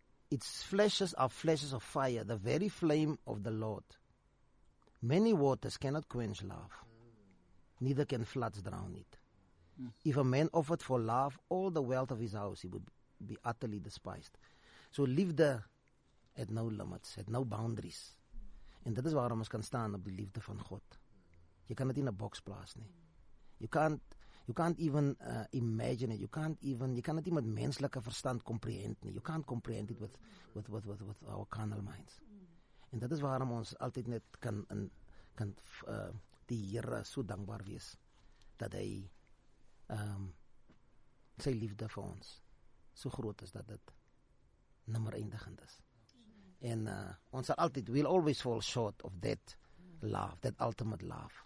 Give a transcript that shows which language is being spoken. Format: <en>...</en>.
<en>Its flashes are flashes of fire, the very flame of the Lord. Many waters cannot quench love, neither can floods drown it. If a man offered for love all the wealth of his house, he would be utterly despised.</en> <af>So liefde het</af> <en>no limits,</en> <af>het</af> <en>no boundaries.</en> <af>En dit is waarom ons kan staan op die liefde van God. Jy kan dit in 'n boks plaas nie.</af> <en>You can't even imagine it. You can't even with</en> <af>menslike verstand</af> <en>comprehend nie. You can't comprehend it with our carnal minds.</en> <af>En dit is waarom ons altyd net kan die Here so dankbaar wees dat hy sy liefde vir ons so groot is dat dit nimmer eindigend is. En ons sal altyd,</af> <en>we'll always fall short of that love, that ultimate love.</en>